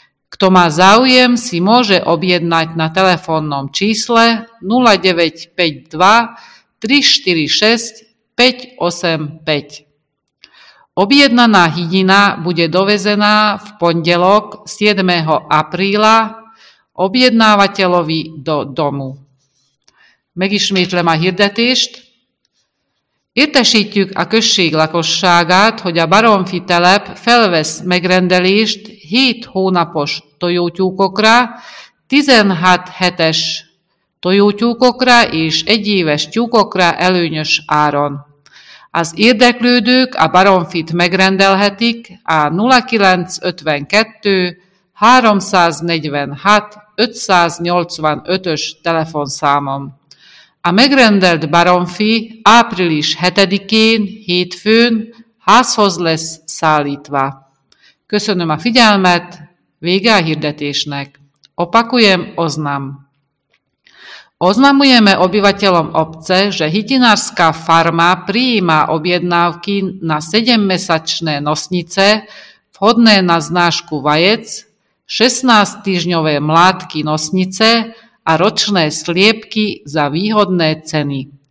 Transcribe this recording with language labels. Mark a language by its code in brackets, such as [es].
[sk] Kto má záujem, si môže objednať na telefónnom čísle 0952 346 585. Objednaná hydina bude dovezená v pondelok 7. apríla objednávateľovi do domu. [hu] Megismétlem a hirdetést. Értesítjük a község lakosságát, hogy a Baromfi telep felvesz megrendelést 7 hónapos tojótyúkokra, 16 hetes tojótyúkokra és 1 éves tyúkokra előnyös áron. Az érdeklődők a Baromfit megrendelhetik a 0952 346 585-ös telefonszámon. A megrendelt Baromfi április 7-én hétfőn házhoz lesz szállítva. Köszönöm a figyelmet, vége a hirdetésnek. [sk] Opakujem, oznam. Oznamujeme obyvateľom obce, že hydinárska farma prijíma objednávky na 7-mesačné nosnice vhodné na znášku vajec, 16-týždňové mládky nosnice a ročné sliepky za výhodné ceny.